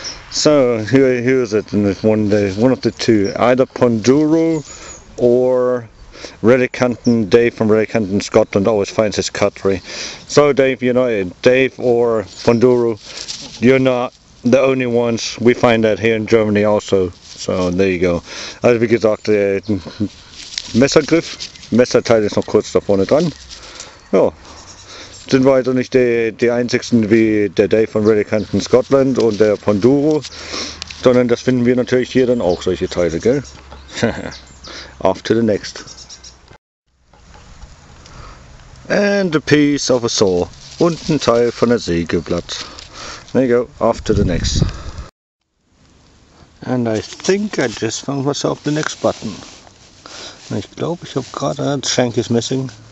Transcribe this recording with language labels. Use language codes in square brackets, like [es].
[en] So here is it, and one of the two, either Ponduro or Relicanton. Dave from Relicanton, Scotland, always finds his cutlery. So Dave, you know, Dave or Ponduro, you're not the only ones. We find that here in Germany also. So there you go. [de] Also wie gesagt, Messergriff, Messerteil ist noch kurz da vorne dran. Ja. Sind wir also nicht die einzigsten wie der Dave von Relicanton Scotland und der Ponduro, sondern das finden wir natürlich hier dann auch, solche Teile, gell? [en] Off to the next. And a piece of a saw. [de] Und ein Teil von der Sägeblatt. [en] There you go, off to the next. And I think I just found myself the next button. [de] Ich glaube, ich habe gerade, das [en] Shank is missing.